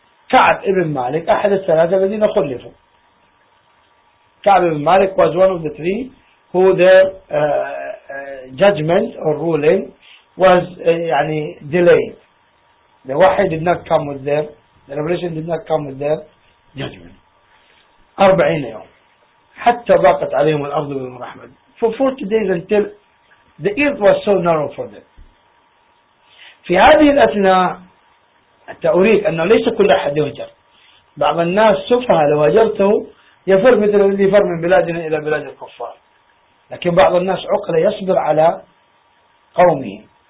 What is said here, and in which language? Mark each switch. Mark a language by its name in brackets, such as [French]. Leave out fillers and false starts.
[Arabic] كعب ابن مالك أحد الثلاثة الذين خلفوا. [English] كعب ابن مالك was one of the three who there judgment or ruling was يعني delayed. The wahi did not come with their, the revelation did not come with their judgment. [Arabic] 40 يوم حتى ضاقت عليهم الأرض بما رحمت. [English] For 40 days until the earth was so narrow for them. [Arabic] في هذه الأثناء حتى أريد أنه ليس كل أحد يهجر. بعض الناس سفها لو هجرته يفر مثل الذي فر من بلادنا إلى بلاد الكفار. لكن بعض الناس عقله يصبر على قومه.